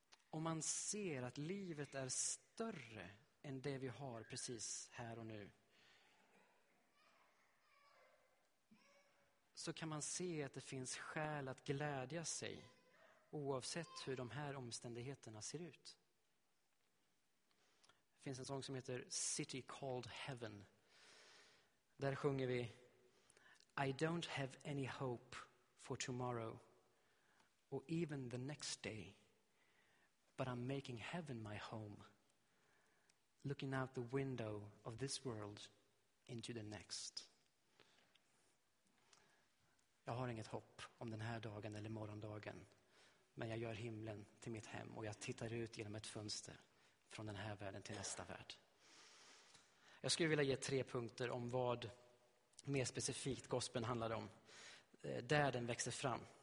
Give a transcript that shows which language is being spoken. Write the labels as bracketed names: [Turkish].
[Swedish] Om man ser att livet är större än det vi har precis här och nu, så kan man se att det finns skäl att glädja sig oavsett hur de här omständigheterna ser ut. Det finns en sång som heter City Called Heaven. Där sjunger vi: [English] I don't have any hope for tomorrow or even the next day, but I'm making heaven my home, looking out the window of this world into the next. [Swedish] Jag har inget hopp om den här dagen eller morgondagen, men jag gör himlen till mitt hem och jag tittar ut genom ett fönster från den här världen till nästa värld. Jag skulle vilja ge tre punkter om vad mer specifikt gospeln handlar om, där den växer fram.